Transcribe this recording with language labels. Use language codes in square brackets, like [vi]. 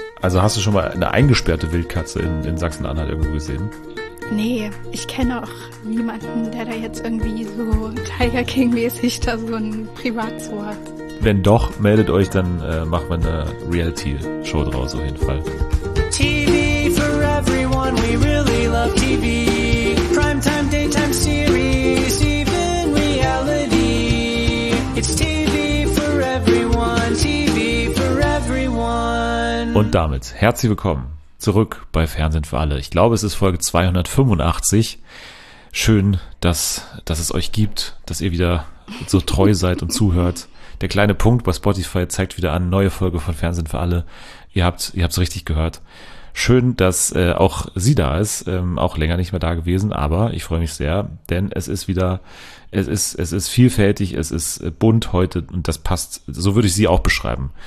[de] Also hast du schon mal eine eingesperrte Wildkatze in Sachsen-Anhalt irgendwo gesehen? Nee, ich kenne auch niemanden, der da jetzt irgendwie so Tiger King-mäßig da so ein Privatzoo hat. Wenn doch, meldet euch, dann machen wir eine Reality-Show draus auf jeden Fall. [en] TV for everyone, we really love TV. Primetime, daytime series, even reality. It's TV for everyone, TV for everyone. [de] Und damit herzlich willkommen zurück bei Fernsehen für alle. Ich glaube, es ist Folge 285. Schön, dass es euch gibt, dass ihr wieder so treu seid und zuhört. Der kleine Punkt bei Spotify zeigt wieder an, neue Folge von Fernsehen für alle. Ihr habt's richtig gehört. Schön, dass auch sie da ist, auch länger nicht mehr da gewesen, aber ich freue mich sehr, denn es ist vielfältig, es ist bunt heute und das passt, so würde ich sie auch beschreiben.